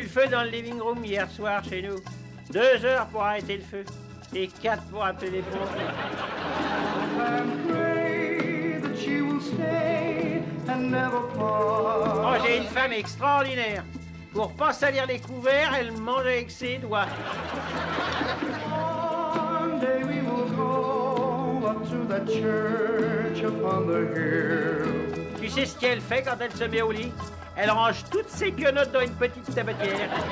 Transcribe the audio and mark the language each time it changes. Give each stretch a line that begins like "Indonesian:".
French: Dans le living room hier soir chez nous. 2 heures pour arrêter le feu et 4 pour appeler les pompiers. Oh, j'ai une femme extraordinaire. Pour pas salir les couverts, elle mange avec ses doigts.
English: One day we will go up to the church upon the hill.
French: Tu sais ce qu'elle fait quand elle se met au lit? Elle range toutes ses guenottes dans une petite tabatière.